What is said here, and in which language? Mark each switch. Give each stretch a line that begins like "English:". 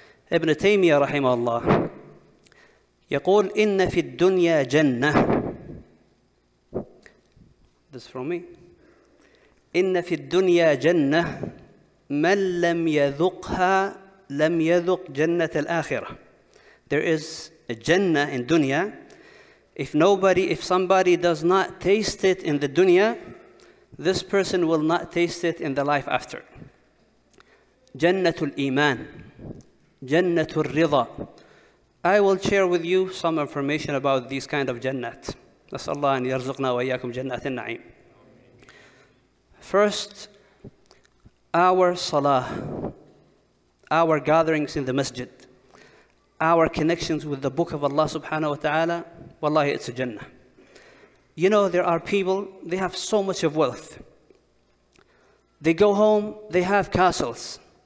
English: Ibn Taymiyyah rahimahullah,
Arabic: يقول إن في الدنيا جنة.
English: This is from me.
Arabic: إن في الدنيا جنة من لم يذقها لم يذق جنة الآخرة.
English: There is a jannah in dunya. If somebody does not taste it in the dunya, this person will not taste it in the life after.
Arabic: جنة الإيمان. جنة الرضا.
English: I will share with you some information about these kind of jannat.
Arabic: نسأل الله أن يرزقنا وإياكم جنات النعيم.
English: First, our salah, our gatherings in the masjid, our connections with the book of Allah subhanahu wa ta'ala, wallahi, it's a jannah. You know, there are people, they have so much of wealth. They go home, they have castles.